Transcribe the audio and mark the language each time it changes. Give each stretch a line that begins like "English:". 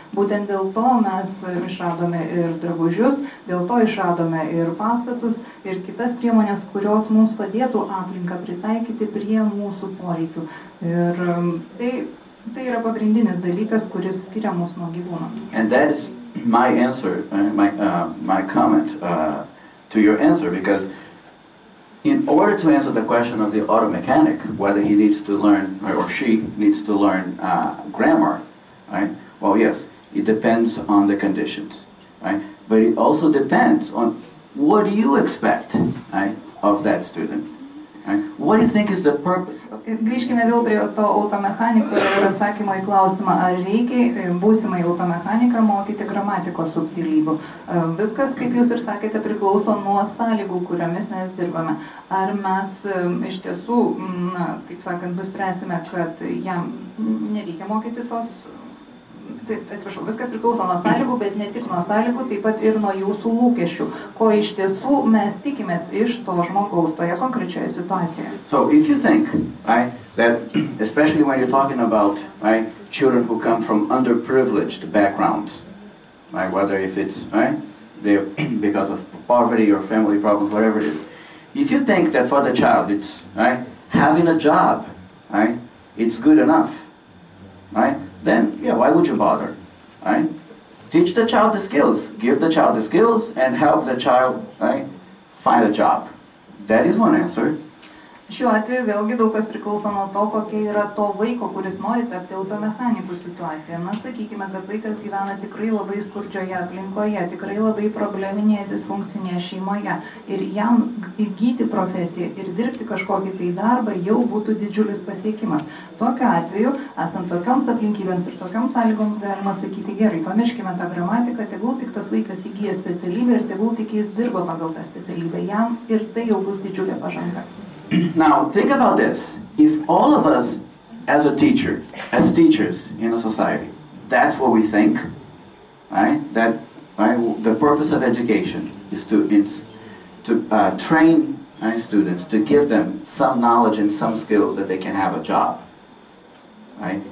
Lithuanian: Būtent dėl to mes išradome ir drabužius, dėl to išradome ir pastatus, ir kitas priemonės, kurios mums padėtų aplinką pritaikyti prie mūsų poreikių. Ir tai Tai yra pagrindinis dalykas, kuris skiria mus nuo gyvūno.
English: And that is my answer, my comment to your answer, because in order to answer the question of the auto mechanic, whether he needs to learn or she needs to learn grammar, right? Well, yes, it depends on the conditions, right? But it also depends on what do you expect, right, of that student. What do you think is the purpose?
Lithuanian: Grįžkime vėl prie to automechaniko ir atsakymo į klausimą, ar reikia būsimai automechaniką mokyti gramatikos subtilybių. Viskas, kaip jūs ir sakėte, priklauso nuo sąlygų, kuriomis mes dirbame. Ar mes iš tiesų, na, taip sakant, nuspręsime, kad jam nereikia mokyti tos... Atsiprašau, viskas priklauso nuo sąlygų, bet ne tik nuo sąlygų, taip pat ir nuo jūsų lūkesčių. Ko iš tiesų mes tikimės iš to žmogaus toje konkrečioje situacijoje?
English: So, if you think, right, that especially when you're talking about, right, children who come from underprivileged backgrounds, right, whether if it's, right, they're because of poverty or family problems, whatever it is, if you think that for the child it's, right, having a job, right, it's good enough, right, then, yeah, why would you bother, right? Teach the child the skills, give the child the skills, and help the child, right, find a job. That is one answer.
Lithuanian: Šiuo atveju vėlgi daug kas priklauso nuo to, kokia yra to vaiko, kuris nori tapti automechanikų situaciją. Na, sakykime, kad vaikas gyvena tikrai labai skurdžioje aplinkoje, tikrai labai probleminėje disfunkcinėje šeimoje. Ir jam įgyti profesiją ir dirbti kažkokį tai darbą jau būtų didžiulis pasiekimas. Tokiu atveju, esant tokioms aplinkybėms ir tokioms sąlygoms, galima sakyti, gerai, pamirškime tą gramatiką, tegul tik tas vaikas įgyja specialybę ir tegul tik jis dirba pagal tą specialybę. Jam ir tai jau bus didžiulė pažanga.
English: Now, think about this. If all of us, as a teacher, as teachers in a society, that's what we think, right? That, right, the purpose of education is to train, right, students, to give them some knowledge and some skills that they can have a job, right?